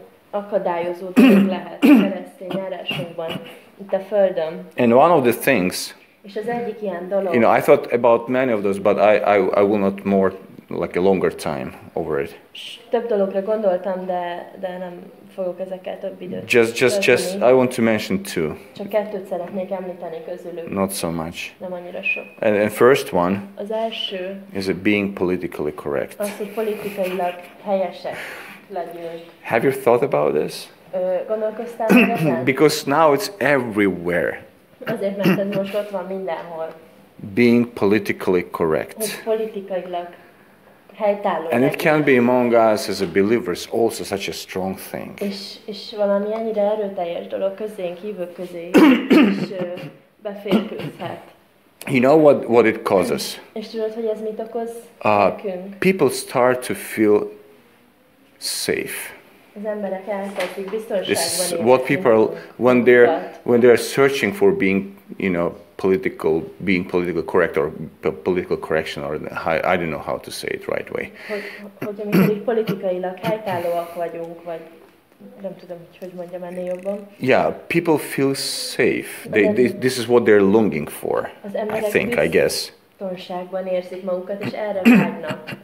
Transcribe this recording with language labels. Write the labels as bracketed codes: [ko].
[hu] Akadályozó dolog lehet a keresztény járásunkban. [en] the [hu] földön. [en] And one of the things, [hu] és az egyik ilyen dolog, [en] you know, I thought about many of those, but I will not more like a longer time over it. [hu] Több dologra gondoltam, de nem fogok ezekkel több időt. [en] Just I want to mention two. [hu] Csak kettőt szeretnék említeni közülük. [en] Not so much. [hu] Nem annyira sok. [en] And first one. [hu] Az első. [en] Is it being politically correct? [hu] Az, hogy politikailag helyesek legyünk. [en] Have you thought about this? [hu] Gondolkoztál [en] Because now it's everywhere. [hu] Azért, mert ez most ott van mindenhol. [en] Being politically correct. [hu] Hogy politikailag helytálló. [en] And it can be among us as a believers also such a strong thing. [hu] És valami ennyire erőteljes dolog közénk, hívők közé, és beférkőzhet. [en] You know what it causes? [hu] És tudod, hogy ez mit okoz nekünk? [en] People start to feel safe. [hu] Az emberek elkezdik biztonságban. [en] This is what people are, when they're searching for being, you know, political, being political correct or political correction or I don't know how to say it right way. [hu] Hogy amikor politikailag helytállóak vagyunk, vagy nem tudom, hogy mondjam ennél jobban. [en] Yeah, people feel safe. This is what they're longing for. I think, I guess. [hu] Biztonságban érzik magukat, és erre vágynak.